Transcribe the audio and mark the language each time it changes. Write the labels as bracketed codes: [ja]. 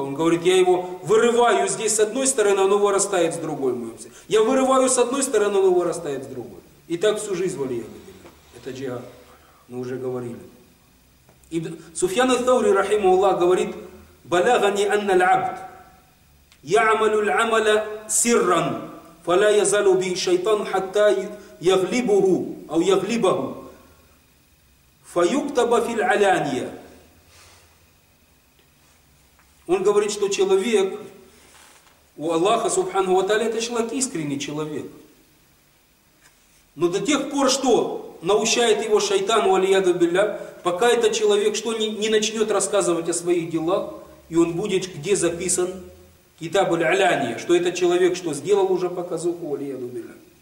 [ru] Он говорит, я его вырываю здесь с одной стороны, оно вырастает с другой в моем сердце. Я вырываю с одной стороны, оно вырастает с другой. И так всю жизнь валиягами. Это джихад. Мы уже говорили. И Суфьян ат-Таури, рахима Аллах, говорит, [ar] «Балагани анна л'абд». يعمل العمل سرا فلا يزال به شيطان حتى يغلبه او يغلبه فيكتب في العلانية. [ru] Он говорит, что человек у Аллаха Субханаху ва Тааля, это человек искренний человек, но до тех пор, что научает его шайтан валиаду билля, пока этот человек что не начнет рассказывать о своих делах, и он будет где записан Китаб-ль-Аляния, что этот человек, что сделал уже показуху, валиядубилля.